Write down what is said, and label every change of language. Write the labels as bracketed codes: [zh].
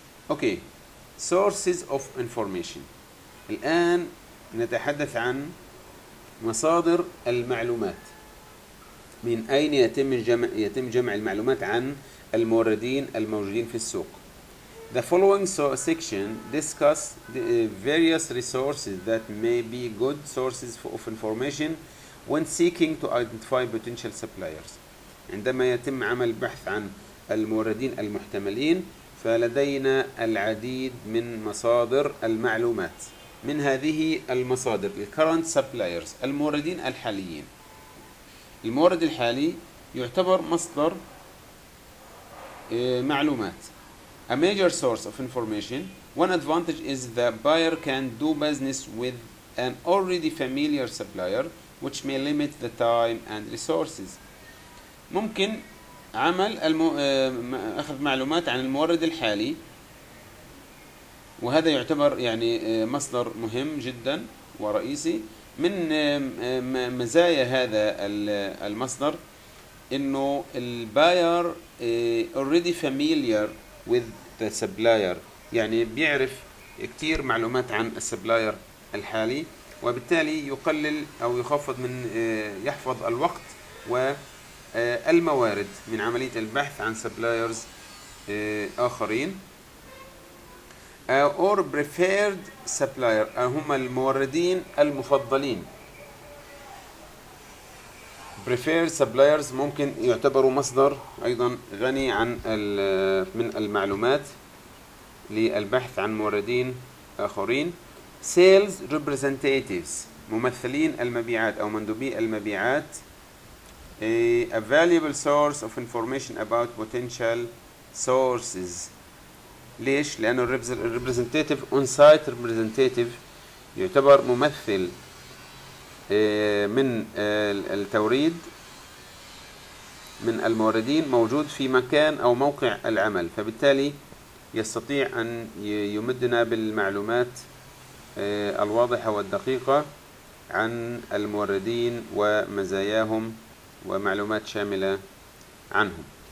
[en] Okay, sources of information. [ar] الآن نتحدث عن مصادر المعلومات، من أين يتم جمع المعلومات عن الموردين الموجودين في السوق. [en] The following section discuss the various resources that may be good sources of information when seeking to identify potential suppliers. [ar] عندما يتم عمل بحث عن الموردين المحتملين، فلدينا العديد من مصادر المعلومات. من هذه المصادر الـ [en] current suppliers، [ar] الموردين الحاليين. المورد الحالي يعتبر مصدر معلومات. [en] A major source of information. One advantage is the buyer can do business with an already familiar supplier, which may limit the time and resources. [ar] ممكن عمل أخذ معلومات عن المورد الحالي، وهذا يعتبر يعني مصدر مهم جدا ورئيسي. من مزايا هذا المصدر إنه الباير [en] already familiar with the supplier، [ar] يعني بيعرف كتير معلومات عن السبلاير الحالي، وبالتالي يقلل أو يخفض من يحفظ الوقت و الموارد من عملية البحث عن سبلايرز آخرين. [en] Or preferred supplier، [ar] هم الموردين المفضلين. Preferred suppliers ممكن يعتبروا مصدر أيضا غني عن من المعلومات للبحث عن موردين آخرين. [en] Sales representatives، [ar] ممثلين المبيعات أو مندوبي المبيعات. [en] A valuable source of information about potential sources. [ar] ليش؟ لأنه [en] representative on-site representative [ar] يعتبر ممثل من التوريد من الموردين موجود في مكان أو موقع العمل، فبالتالي يستطيع أن يمدنا بالمعلومات الواضحة والدقيقة عن الموردين ومزاياهم ومعلومات شاملة عنهم.